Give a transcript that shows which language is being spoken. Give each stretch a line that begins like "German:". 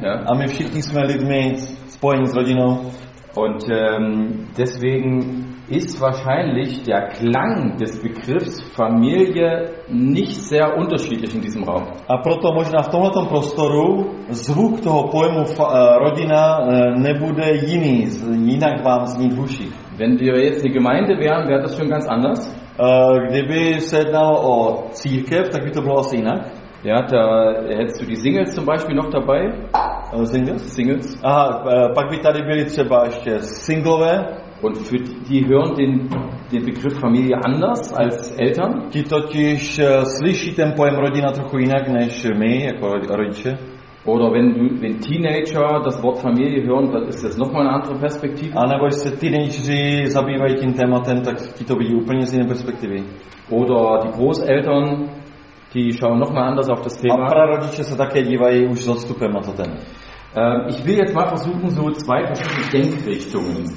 German: Ja?
Czech: A my všichni jsme lidmi spojení s rodinou.
German: Und deswegen ist wahrscheinlich der Klang des Begriffs Familie nicht sehr unterschiedlich in diesem Raum.
Czech: A proto možná v tomto prostoru zvuk toho pojmu rodina nebude jiný, jinak vám zní v uších.
German: Wenn wir jetzt eine Gemeinde wären, wäre das schon ganz anders.
Czech: Kdyby se jednalo o církev, tak by to bylo asi jinak.
German: Ja, da hättest du die Singles zum Beispiel noch dabei. Singles.
Czech: Aha, pak by tady byli třeba ještě singlové.
German: Und für die hören den Begriff Familie anders als Eltern.
Czech: Ti totiž slyší ten pojem rodina trochu jinak než my jako rodiče.
German: Oder wenn Teenager das Wort Familie hören, dann ist das nochmal eine andere Perspektive.
Czech: A nebo se teenageři zabývají tím tématem, tak ti to vidí úplně z jiné perspektivy.
German: Oder die Großeltern, die schauen nochmal anders auf das Thema.
Czech: A prarodiče se také dívají už s odstupem na to téma.
German: Ich will jetzt mal versuchen, so zwei verschiedene Denkrichtungen.